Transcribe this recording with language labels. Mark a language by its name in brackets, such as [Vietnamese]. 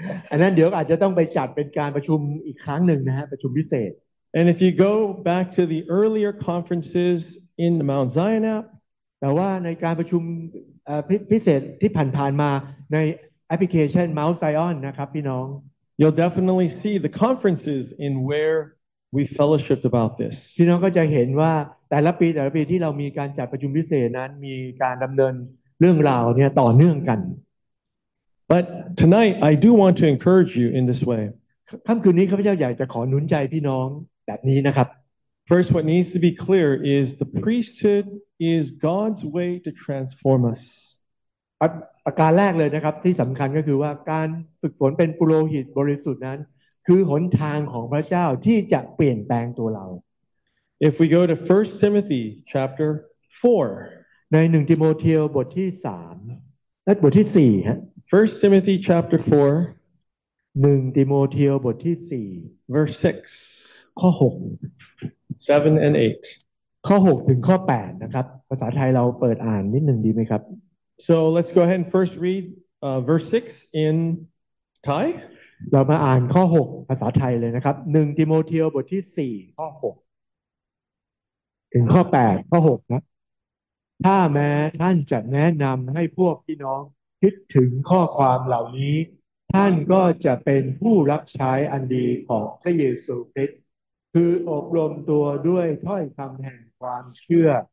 [Thai] อันนั้นเดี๋ยวอาจจะต้องไปจัดเป็นการประชุมอีกครั้งหนึ่งนะฮะประชุมพิเศษ [English] And if you go back to the earlier conferences in the Mount Zion app, [Thai] แต่ว่าในการประชุมพิเศษที่ผ่านๆมาในแอปพลิเคชัน Mount Zion นะครับพี่น้อง [English] You'll definitely see the conferences in where we fellowshiped about this. [Thai] พี่น้องก็จะเห็นว่าแต่ละปีแต่ละปีที่เรามีการจัดประชุมพิเศษนั้นมีการดำเนินเรื่องราวเนี่ยต่อเนื่องกัน [English] But tonight I do want to encourage you in this way. [Thai] ค่ำคืนนี้ข้าพเจ้าอยากจะขอหนุนใจพี่น้องแบบนี้นะครับ [English] First what needs to be clear is the priesthood is God's way to transform us. [Thai] อาการแรกเลยนะครับที่สำคัญก็คือว่าการฝึกฝนเป็นปุโรหิตบริสุทธิ์นั้นคือหนทางของพระเจ้าที่จะเปลี่ยนแปลงตัวเรา [English] If we go to 1 Timothy chapter 4 [Thai] ใน1ทิโมเธียบทที่3และบทที่4ฮะ [English] 1 Timothy chapter 4 [Thai] 1ทิโมเธียบทที่4 [English] verse 6 [Thai] ข้อ6 [English] 7 and 8 [Thai] ข้อ6ถึงข้อ8นะครับภาษาไทยเราเปิดอ่านนิดนึงดีไหมครับ [English] So let's go ahead and first read verse 6 in Thai [Thai] เรามาอ่านข้อ6ภาษาไทยเลยนะครับ1ทิโมเธียบทที่4ข้อ6ถึงข้อ8ข้อ6นะถ้าแม้ท่านจะแนะนำให้พวกพี่น้องคิดถึงข้อความเหล่านี้ท่านก็จะเป็นผู้รับใช้อันดีของพระเยซูคริสต์คืออบรมตัวด้วยถ้อยคำแห่งความเชื่อ